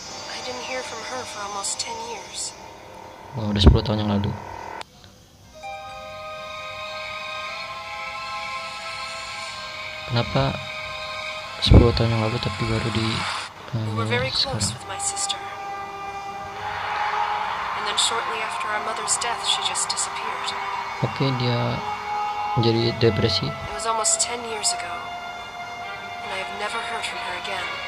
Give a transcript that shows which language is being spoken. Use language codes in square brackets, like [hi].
[en] I didn't hear from her for almost 10 years. [id] Wow, udah 10 tahun yang lalu. Kenapa 10 tahun yang lalu tapi baru di [en] We were very close with my sister. And then shortly after our mother's death, she just disappeared. [id] Okay, dia jadi depresi. [en] It was almost 10 years ago. And I have never heard from her again.